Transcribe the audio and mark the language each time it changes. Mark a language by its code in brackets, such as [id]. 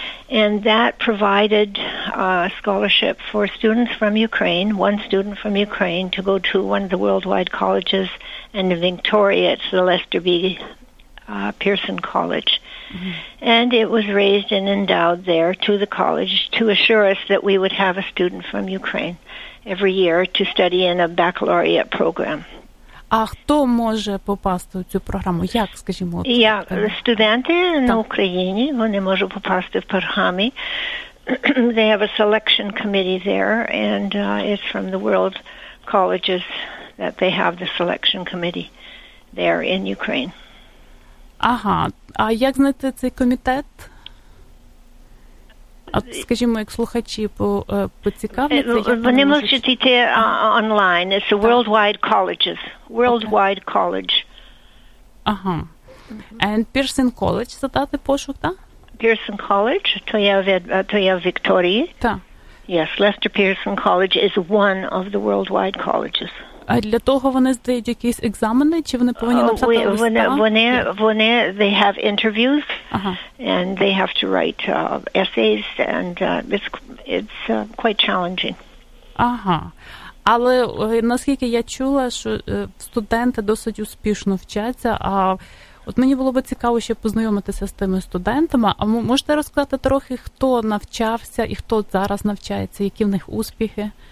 [en] And that provided a scholarship for students from Ukraine, one student from Ukraine, to go to one of the worldwide colleges, and in Victoria, it's the Lester B. Pearson College. Mm-hmm. And it was raised and endowed there to the college to assure us that we would have a student from Ukraine every year to study in a baccalaureate program. [uk] А хто може попасти у цю програму? Як, скажімо? Студенти на Україні, вони можуть попасти в програму. [en] they have a selection committee there, and it's from the world colleges that they have the selection committee there in Ukraine. [uk] Ага. А як знайти цей комітет? От, скажімо, як слухачі поцікавляться, вони можуть йти онлайн. [en] It's the worldwide colleges. Worldwide okay. college. [uk] Ага. And Pearson College задати пошук, так? Pearson College, Тоя Вікторії. Так. [en] Yes, Lester Pearson College is one of the worldwide colleges. [uk] А для того вони здають якісь екзамени, чи вони повинні написати листа? [en] Вони, they have interviews, and they have to write essays, and it's quite challenging. [uk] Ага. Але, наскільки я чула, що студенти досить успішно вчаться, а от мені було би цікаво ще познайомитися з тими студентами. А можете розказати трохи, хто навчався і хто зараз навчається, які в них успіхи?